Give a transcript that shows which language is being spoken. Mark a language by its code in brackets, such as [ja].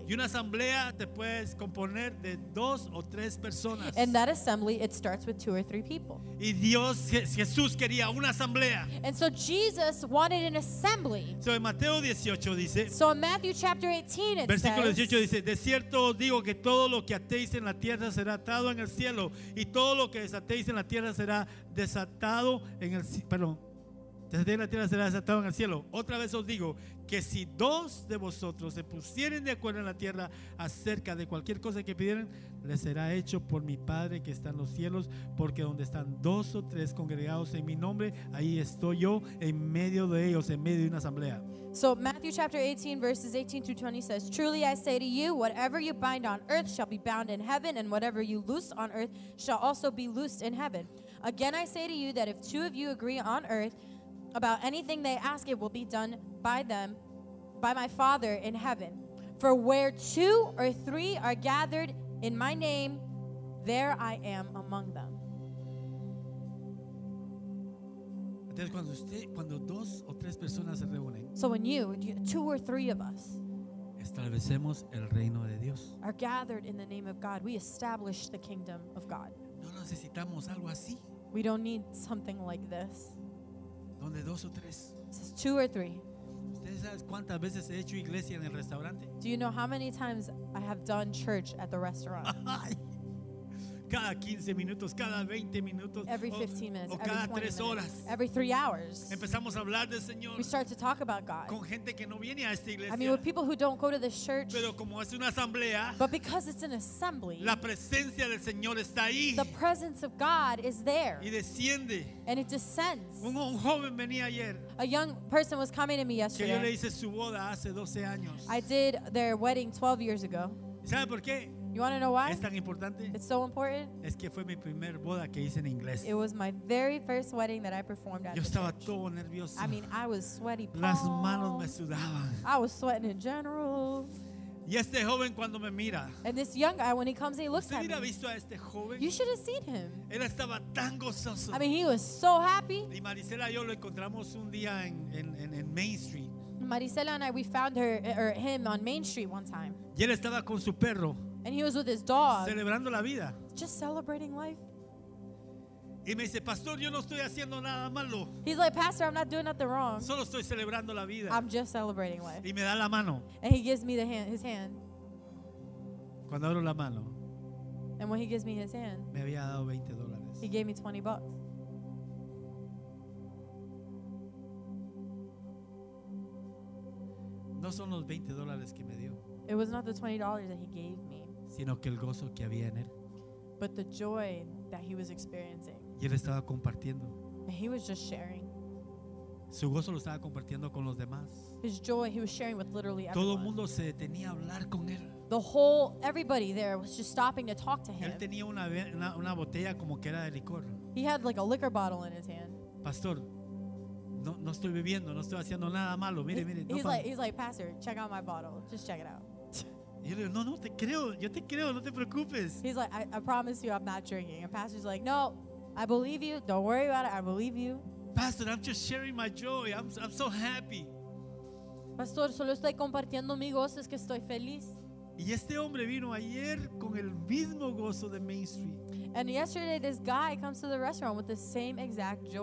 [es] Y una asamblea te puedes componer de dos o tres personas. [en] And that assembly, it starts with two or three people. [es] Y Dios, Jesús quería una asamblea. [en] And so Jesus wanted an assembly. So in [es] Mateo 18 dice, [en] so in Matthew chapter 18 it [es] versículo 18 [en] says, [es] dice, de cierto os digo que todo lo que atéis en la tierra será atado en el cielo, y todo lo que desatéis en la tierra será desatado en el cielo. Perdón, desatéis en la tierra será desatado en el cielo. Otra vez os digo que si dos de vosotros se pusieren de acuerdo en la tierra acerca de cualquier cosa que pidieran, le será hecho por mi Padre que está en los cielos, porque donde están dos o tres congregados en mi nombre, ahí estoy yo en medio de ellos, en medio de una asamblea. [en] So Matthew chapter 18 verses 18 through 20 says, truly I say to you, whatever you bind on earth shall be bound in heaven, and whatever you loose on earth shall also be loosed in heaven. Again, I say to you that if two of you agree on earth about anything they ask, it will be done by them, by my Father in heaven. For where two or three are gathered in my name, there I am among them. [es] Entonces, cuando dos o tres personas se reúnen, [en] so when you, two or three of us, [es] establecemos el reino de Dios, [en] are gathered in the name of God, we establish the kingdom of God. [es] No necesitamos algo así. [en] We don't need something like this. [es] Donde dos o tres. [en] It says two or three. [es] ¿Ustedes saben cuántas veces he hecho iglesia en el restaurante? [en] Do you know how many times I have done church at the restaurant? [es] Cada 15 minutos, cada 20 minutos, [en] every 15 minutes, [es] o cada 3 horas. [en] Every 3 hours. [es] Empezamos a hablar del Señor. [en] We start to talk about God. [es] Con gente que no viene a esta iglesia. [en] I mean, with people who don't go to this church. [es] Pero como es una asamblea. [en] But because it's an assembly. [es] La presencia del Señor está ahí. [en] The presence of God is there. [es] Y desciende. [en] And it descends. [es] Un joven venía ayer. [en] A young person was coming to me yesterday. [es] Que yo le hice su boda hace 12 años. [en] I did their wedding 12 years ago. [es] ¿Sabe por qué? [en] You want to know why? [es] Es tan importante. [en] It's so important. [es] Es que fue mi primer boda que hice en inglés. [en] It was my very first wedding that I performed at. [es] Yo estaba [en] the [es] todo nervioso. [en] I mean, I was sweaty. Palms. [es] Las manos me sudaban. [en] I was sweating in general. [es] Y este joven cuando me mira. [en] And this young guy, when he comes, he looks at me. [es] ¿Usted hubiera visto a este joven? [en] You should have seen him. [es] Él estaba tan gozoso. [en] I mean, he was so happy. [es] Y Marisela y yo lo encontramos un día en Main Street. [en] Marisela and I, we found her or him on Main Street one time. [es] Y él estaba con su perro. [en] And he was with his dog. [es] Celebrando la vida. [en] Just celebrating life. [es] Y me dice, Pastor, yo no estoy haciendo nada malo. [en] He's like, Pastor, I'm not doing nothing wrong. [es] Solo estoy celebrando la vida. [en] I'm just celebrating life. [es] Y me da la mano. [en] And he gives me the hand, his hand. [es] Cuando abro la mano. [en] And when he gives me his hand. [es] Me había dado $20. [en] He gave me $20. [es] No son los $20 que me dio. [en] It was not the $20 that he gave me. [es] Sino que el gozo que había en él. [en] But the joy that he was experiencing. [es] Y él estaba compartiendo. [en] And he was just sharing. [es] Su gozo lo estaba compartiendo con los demás. [en] His joy he was sharing with literally everyone. [es] Todo el mundo se detenía a hablar con él. [en] The whole everybody there was just stopping to talk to him. [es] Él tenía una botella como que era de licor. [en] He had like a liquor bottle in his hand. [es] Pastor, no estoy bebiendo, no estoy haciendo nada malo. Mire. [en] He's like, Pastor, check out my bottle. Just check it out. [es] No, te creo. Yo te creo. No te preocupes. [en] He's like, I promise you, I'm not drinking. And pastor's like, no, I believe you. Don't worry about it. I believe you. Pastor, I'm just sharing my joy. I'm so happy. [es] Pastor, solo estoy compartiendo mi gozo. Es que estoy feliz. Y este hombre vino ayer con el mismo gozo de Main Street. [en] And yesterday, this guy comes to the restaurant with the same exact joy.